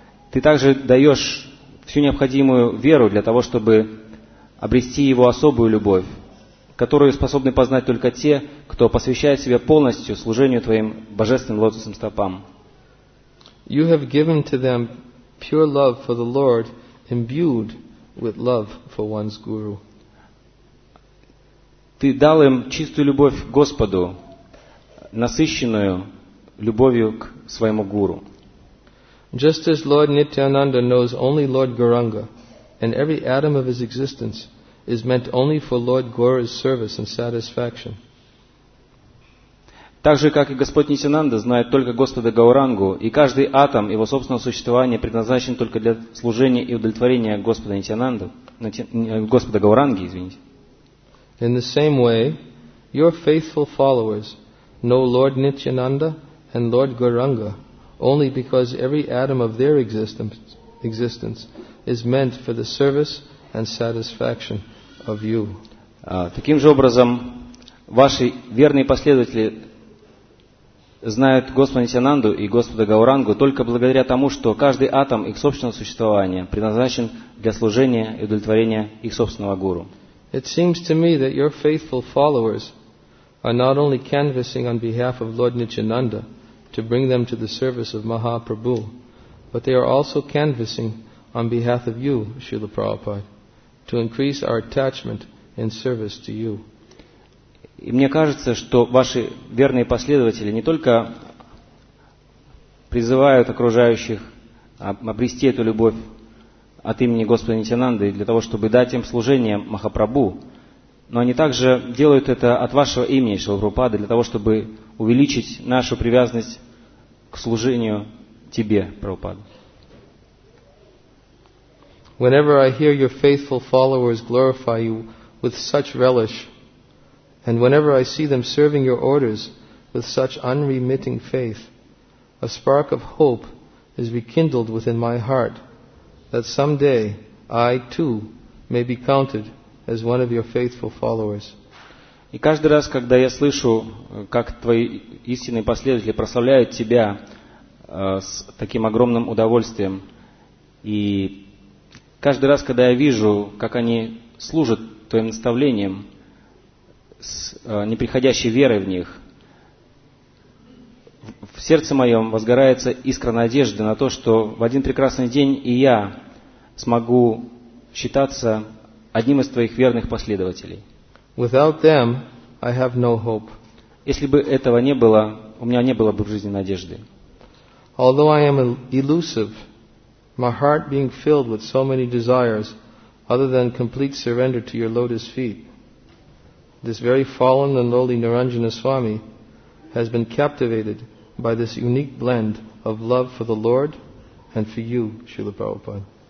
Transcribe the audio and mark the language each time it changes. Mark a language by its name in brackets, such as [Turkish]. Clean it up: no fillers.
[Russian] Ты также даешь всю необходимую веру для того, чтобы обрести его особую любовь, которую способны познать только те, кто посвящает себя полностью служению твоим божественным лотосным стопам. [English] You have given to them pure love for the Lord, imbued with love for one's guru. [Russian] Ты дал им чистую любовь к Господу, насыщенную любовью к своему гуру. [English] Just as Lord Nityananda knows only Lord Gauranga, and every atom of his existence is meant only for Lord Gaura's service and satisfaction. [Russian] Так же, как и Господь Нитянанда знает только Господа Гаурангу, и каждый атом его собственного существования предназначен только для служения и удовлетворения Господа Нитянанды, Господа Гауранги, извините. [English] In the same way, your faithful followers know Lord Nityananda and Lord Gauranga only because every atom of their existence is meant for the service and satisfaction of you. [Russian] Таким же образом, ваши верные последователи знают Господа Нитянанду и Господа Гаурангу только благодаря тому, что каждый атом их собственного существования предназначен для служения и удовлетворения их собственного гуру. [English] It seems to me that your faithful followers are not only canvassing on behalf of Lord Nityananda to bring them to the service of Mahaprabhu, but they are also canvassing on behalf of you, Srila Prabhupada, to increase our attachment in service to you. [Russian] И мне кажется, что ваши верные последователи не только призывают окружающих обрести эту любовь от имени Господа Нитянанды для того, чтобы дать им служение Махапрабху, но они также делают это от вашего имени, Шрила Прабхупады, для того, чтобы увеличить нашу привязанность к служению тебе, Прабхупада. [English] Whenever I hear your faithful followers glorify you with such relish, and whenever I see them serving your orders with such unremitting faith, a spark of hope is rekindled within my heart that someday I too may be counted as one of your faithful followers. [Russian] И каждый раз, когда я слышу, как твои истинные последователи прославляют тебя с таким огромным удовольствием, и каждый раз, когда я вижу, как они служат твоим наставлением с неприходящей верой в них, в сердце моем возгорается искра надежды на то, что в один прекрасный день и я смогу считаться одним из твоих верных последователей. [English] Without them, I have no hope. [Russian] Если бы этого не было, у меня не было бы в жизни надежды. [English] Although I am elusive, my heart being filled with so many desires, other than complete surrender to your lotus feet, this very fallen and lowly Niranjana Swami has been captivated by this unique blend of love for the Lord and for you, Srila Prabhupada.